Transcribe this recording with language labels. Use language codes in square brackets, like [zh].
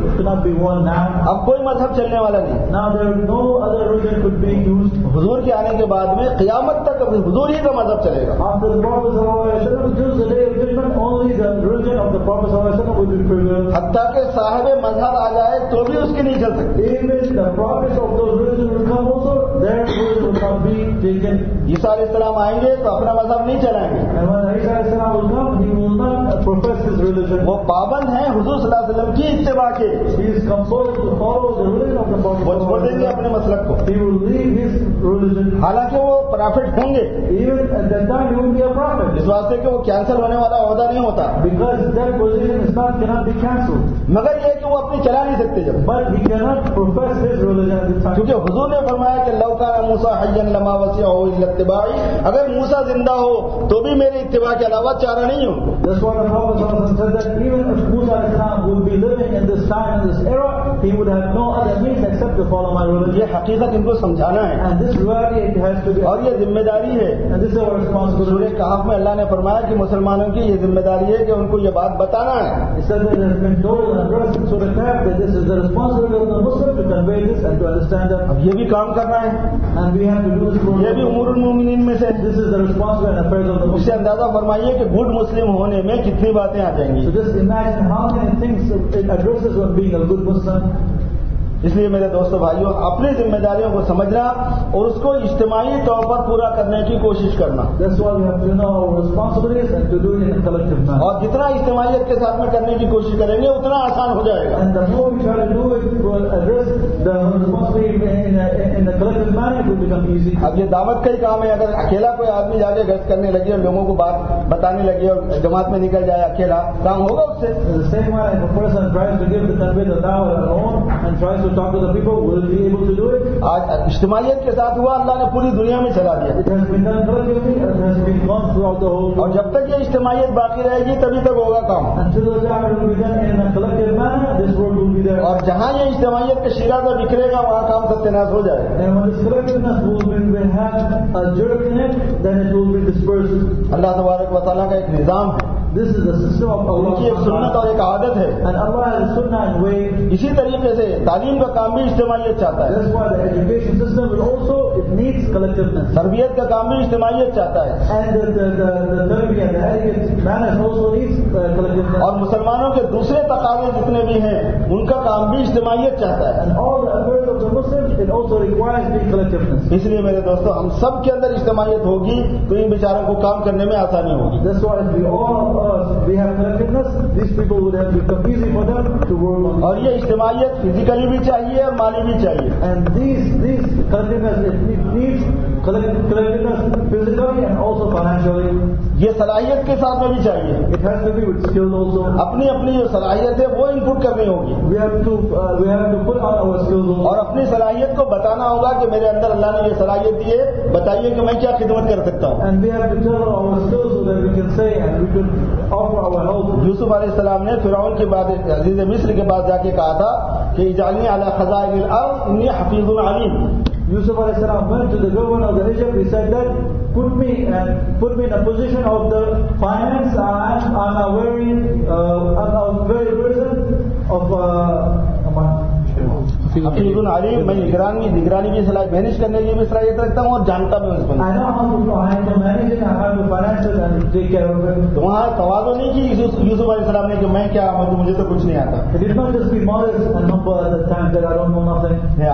[ur] اب کوئی مذہب چلنے والا نہیں. [en] Now there is no other religion could be used. [ur] حضور کے آنے کے بعد میں قیامت تک اپنے حضور ہی کا مذہب چلے گا. [en] After the Prophet صلی اللہ علیہ وسلم, only the religion of the Prophet صلی اللہ علیہ وسلم would be preserved. [ur] حتیٰ کہ صاحب مذہب آ جائے تو بھی اس کی نہیں چل سکتی. [en] Even the prophets of those religions would come also, their religion would not be taken. [ur] عیسیٰ علیہ السلام آئیں گے تو اپنا مذہب نہیں چلائیں گے. [en] And when عیسیٰ علیہ السلام would come, he will not profess his religion. [ur] وہ پابند ہے حضور صلی اللہ علیہ وسلم کی اتباع کے. [en] He is compelled to follow the religion of the Prophet. [ur] وہ چھوڑ دیں گے اپنے مسلک کو. [en] He will leave his religion. [ur] حالانکہ وہ پرافٹ ہوں گے. [en] Even at that time he will be a prophet. [ur] اس واسطے کہ وہ کینسل ہونے والا عہدہ نہیں ہوتا. [en] Because that position is not cannot be canceled. [ur] مگر یہ کہ وہ اپنی چلا نہیں سکتے جب. [en] But he cannot profess his religion. [ur] کیونکہ حضور نے فرمایا کہ [ar] لو کان موسیٰ حیاً لما وسعہ الا اتباعی. [ur] اگر موسیٰ زندہ ہو تو بھی میرے اتباع کے علاوہ چارہ نہیں ہوں. [en] That's what the Prophet said, that even if Musa would be living in this time, in this era, he would have no other means except to follow my religion. [ur] یہ حقیقت ان کو سمجھانا ہے. [en] And this reality it has to be. [ur] اور یہ ذمہ داری ہے. [en] And this is our responsibility. [ur] سورہ کہف میں اللہ نے فرمایا کہ مسلمانوں کی یہ ذمہ داری ہے کہ ان کو یہ بات بتانا ہے. [en] He said that it has been told and addressed in Surah Kahf that this is the responsibility of the Muslim to convey this and to understand that. [ur] اب یہ بھی کام کرنا ہے. [en] And we have to do this. [ur] یہ بھی امور المومنین میں سے. [en] This is the responsibility and affairs of the Muslim. [ur] اسے اندازہ فرمائیے کہ [en] good Muslim [ur] ہونے میں کتنی باتیں آ جائیں گی. [en] So just imagine how many things it addresses on being a good Muslim. [ur] اس لیے میرے دوستوں بھائیوں اپنی ذمہ داریوں کو سمجھنا اور اس کو اجتماعی طور پر پورا کرنے کی کوشش کرنا. [en] That's why we have to know our responsibilities and to do it in a collective manner. [ur] اور جتنا اجتماعیت کے ساتھ میں کرنے کی کوشش کریں گے اتنا آسان ہو جائے گا. [en] And the more we try to do it, we'll address the responsibility in a collective manner, it will become easy. [ur] اب یہ دعوت کا ہی کام ہے. اگر اکیلا کوئی آدمی جا کے گشت کرنے لگے اور لوگوں کو بات بتانے لگے اور جماعت میں نکل جائے اکیلا, کام ہوگا اس سے. [en] The same way, if a person tries to give the tarbiyah the da'wah alone and tries to to talk to the people, will be able to do it. [ur] آج اجتماعیت کے ساتھ ہوا اللہ نے پوری دنیا میں چلا دیا. [en] It has been done throughout the world. It has been gone throughout the whole world. [ur] اور جب تک یہ اجتماعیت باقی رہے گی تبھی تک ہوگا کام. [en] Until the time it will be done in a collective manner, this world will be there. [ur] اور جہاں یہ اجتماعیت کے شیرہ پر بکھرے گا وہاں کام ستیناس ہو جائے. [en] And when this collectiveness movement will have a jerk in it, then it will be dispersed. [ur] اللہ تبارک و تعالیٰ کا ایک نظام. [en] This is the system of Allah. [ur] کی ایک سنت اور ایک عادت ہے. [en] And Allah has a sunnah and way. [ur] اسی طریقے سے تعلیم کا کام بھی اجتماعیت چاہتا ہے. [en] That's why the education system will also, it needs collectiveness. [ur] تربیت کا کام بھی اجتماعیت چاہتا ہے. [en] And the تربیت, the education manners also needs collectiveness. [ur] اور مسلمانوں کے دوسرے تقاضے جتنے بھی ہیں ان کا کام بھی اجتماعیت چاہتا ہے. [en] And all the affairs of the Muslims, it also requires the collectiveness. [ur] اس لیے میرے دوستو ہم سب کے اندر اجتماعیت ہوگی تو ان بیچاروں کو کام کرنے میں آسانی ہوگی. [en] That's why if we all we have collectiveness, these people would have become easy for them to work on. [ur] اور یہ اجتماعیت فزیکلی بھی چاہیے اور مالی بھی چاہیے. [en] And these collectiveness, it needs collectiveness physically and also financially. [ur] یہ صلاحیت کے ساتھ میں بھی چاہیے. [en] It has to be with skills also. [ur] اپنی اپنی جو صلاحیت ہے وہ انپٹ کرنی ہوگی. [en] We have to put out our skills also. [ur] اور اپنی صلاحیت کو بتانا ہوگا کہ میرے اندر اللہ نے یہ صلاحیت دی ہے, بتائیے کہ میں کیا خدمت کر سکتا ہوں. [en] And we have to tell our skills so that we can say and we can offer our help. [ur] یوسف علیہ السلام نے فرعون کے بعد عزیز مصر کے پاس جا کے کہا تھا کہ [ar] اجعلنی علی خزائن الارض انی حفیظ علیم. [en] Yusuf alayhi salam went to the governor of the Egypt. He said that put me in a position of the finance and I'm a very very person of [ar] حفیظ علیم. [ur] میں نگرانی کی صلاحیت مینج کرنے کی بھی صلاحیت رکھتا ہوں اور جانتا بھی ہوں اس کو. وہاں توازن نہیں کی یوسف علیہ السلام نے کہ میں کیا, مجھے تو کچھ نہیں آتا.